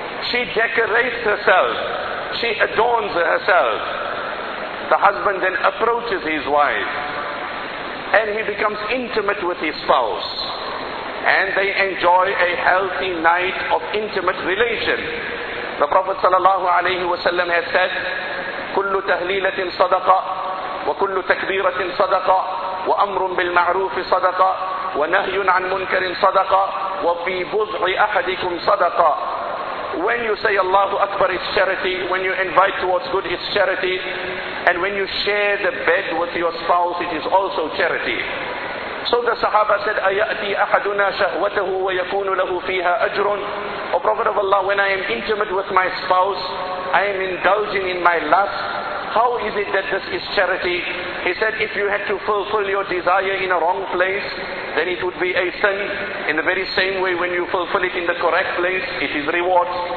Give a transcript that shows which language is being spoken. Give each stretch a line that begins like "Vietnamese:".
English: She decorates herself. She adorns herself. The husband then approaches his wife. And he becomes intimate with his spouse. And they enjoy a healthy night of intimate relation. The Prophet sallallahu alayhi wa sallam has said,
Arabic: كُلُّ تَهْلِيلَةٍ صَدَقَةٍ وَكُلُّ تَكْبِيرَةٍ صَدَقَةٍ وَأَمْرٌ بِالْمَعْرُوفِ صَدَقَةٍ وَنَهْيٌ عَنْ مُنْكَرٍ صَدَقَةٍ وَفِي بُضْعِ أَحَدِكُمْ صَدَقَةٍ.
English: When you say Allahu Akbar is charity, when you invite towards good is charity, and when you share the bed with your spouse, it is also charity. So the Sahaba said,
Arabic: أَيَأْتِي أَحَدُنَا شَهْوَتَهُ وَيَكُونُ لَهُ فِيهَا أَجْرٌ.
English: O Prophet of Allah, when I am intimate with my spouse, I am indulging in my lust. How is it that this is charity? He said, if you had to fulfill your desire in a wrong place, then it would be a sin. In the very same way, when you fulfill it in the correct place, it is reward.